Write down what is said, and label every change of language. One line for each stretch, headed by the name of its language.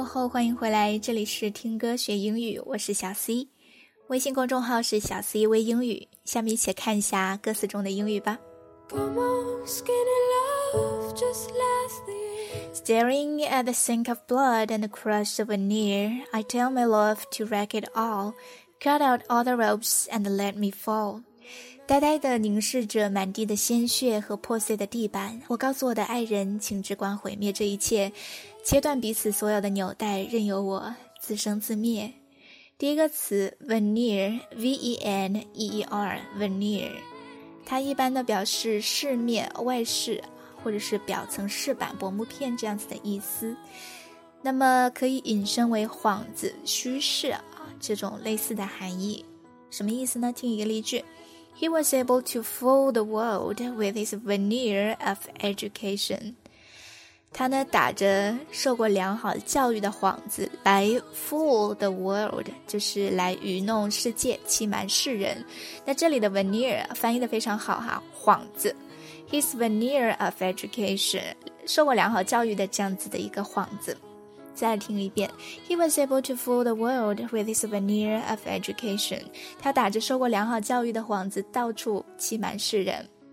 Chinese: 欢迎回来，这里是听歌学英语，我是小 C， 微信公众号是小 C 微英语。下面一起看一下歌词中的英语吧。
English: Come on, skinny love, just last the year. Staring at the sink of blood and the crush of a near, I tell my love to wreck it all, cut out all the ropes and let me fall.
Chinese: 呆呆地凝视着满地的鲜血和破碎的地板，我告诉我的爱人，请只管毁灭这一切，切断彼此所有的纽带，任由我自生自灭。第一个词 veneer， V-E-N-E-E-R， veneer， 它一般的表示饰面、外饰，或者是表层饰板、薄木片这样子的意思。那么可以引申为幌子、虚饰啊，这种类似的含义。什么意思呢？听一个例句
English: He was able to fool the world with his veneer of education.
Chinese: 他呢打着受过良好教育的幌子来
English: fool the world,
Chinese: 就是来愚弄世界，欺瞒世人。那这里的 veneer 翻译得非常好哈，幌子。
English: His veneer of education,
Chinese: 受过良好教育的这样子的一个幌子。再听一遍
English: ,He was able to fool the world with his veneer of education.
Chinese: 他打着受过良好教育的幌子到处欺瞒世人。